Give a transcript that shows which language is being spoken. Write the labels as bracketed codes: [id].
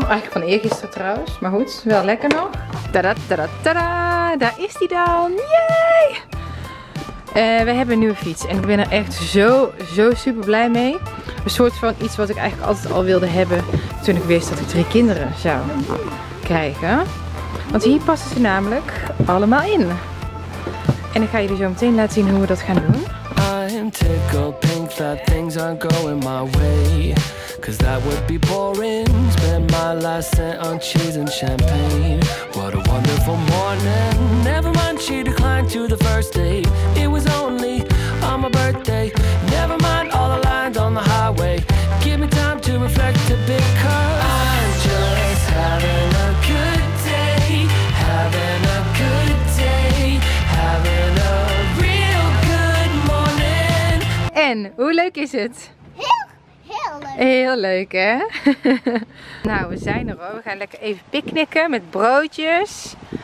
[nl] Eigenlijk van eergisteren trouwens. Maar goed, wel lekker nog. Tada, tada, tada. Daar is die dan. Yay! We hebben een nieuwe fiets. En ik ben er echt zo, zo super blij mee. Een soort van iets wat ik eigenlijk altijd al wilde hebben. Toen ik wist dat ik 3 kinderen zou krijgen. Want hier passen ze namelijk allemaal in. En ik ga jullie zo meteen laten zien hoe we dat gaan doen. [en] I am tickled pink that things aren't going my way. Cause that would be boring. Spend my last cent on cheese and champagne. What a wonderful morning. Never mind, she declined to the first date. It was only on my birthday. Never mind all the lines on the highway. Give me time to reflect a bit, cause I'm just having a good day. Having a good day. Having a real good morning. [nl] En, hoe leuk is het? Heel leuk. Heel leuk, hè? Nou, we zijn er hoor. We gaan lekker even picknicken met broodjes.